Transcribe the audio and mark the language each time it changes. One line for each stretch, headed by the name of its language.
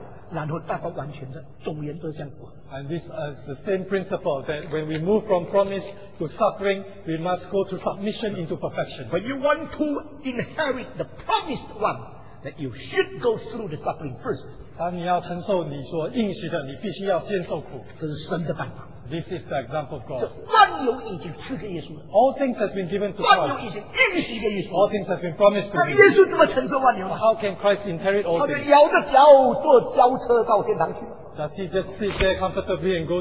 Chinese: 这些都是应许从征战,应许从流血,应许从代价,应许从顺服神,克苦,受难,然后达到完全的总原则相果。
English: And this is the same principle that when we move from promise to suffering, we must go to submission into perfection. But you want to inherit the promised one, that you should go through the suffering first.
Chinese: 当你要承受你所应许的,你必须要先受苦。这是神的办法。
English: This is the example of God.
Chinese: 这万有已经赐给耶稣了。
English: All things have been given to us.
Chinese: 万有已经应许给耶稣。
English: All things have been promised to us.
Chinese: 那耶稣怎么承受万有呢?
English: How can Christ inherit all things?
Chinese: 他就摇着脚坐轿车到天堂去。
English: Does he just sit there comfortably and go